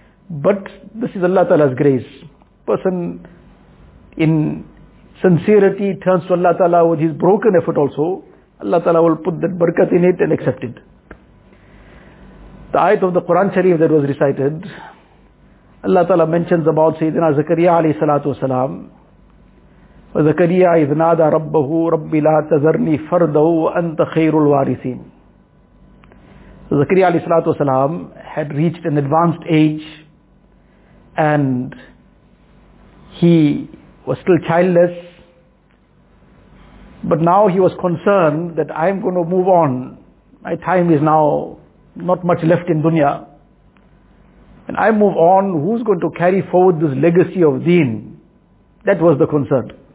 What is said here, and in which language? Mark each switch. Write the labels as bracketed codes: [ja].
[en] But this is Allah Ta'ala's grace. Person in sincerity turns to Allah Ta'ala with his broken effort also, Allah Ta'ala will put that barakat in it and accept it. The ayat of the Quran Sharif that was recited, Allah Ta'ala mentions about Sayyidina Zakariya alayhi salatu wasalam, [ar] زكريا إذ نادى ربه رب لا تذرني فردا وأنت خير الوارثين. زكريا عليه الصلاة والسلام [en] had reached an advanced age and he was still childless, but now he was concerned that I am going to move on, my time is now not much left in dunya, and I move on, who's going to carry forward this legacy of deen? That was the concern.